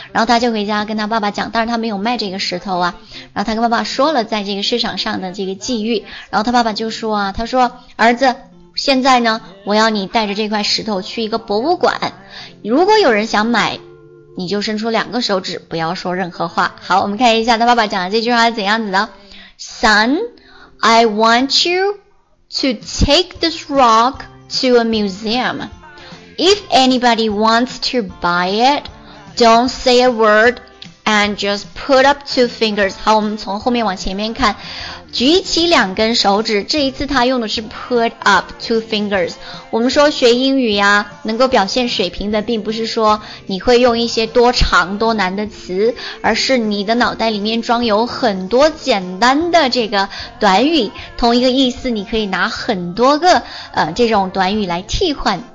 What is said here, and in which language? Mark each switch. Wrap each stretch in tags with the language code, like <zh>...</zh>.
<zh>然后他就回家跟他爸爸讲，但是他没有卖这个石头啊，然后他跟爸爸说了在这个市场上的这个际遇，然后他爸爸就说啊，他说儿子，现在呢我要你带着这块石头去一个博物馆，如果有人想买你就伸出两个手指不要说任何话。好，我们看一下他爸爸讲的这句话是怎样子的。</zh> <en>Son, I want you to take this rock to a museum. If anybody wants to buy it, don't say a word And just put up two fingers.</en> <zh>好，我们从后面往前面看，举起两根手指。这一次他用的是</zh> <en>put up two fingers。</en> <zh>我们说学英语呀，能够表现水平的，并不是说你会用一些多长多难的词，而是你的脑袋里面装有很多简单的这个短语，同一个意思，你可以拿很多个这种短语来替换。</zh>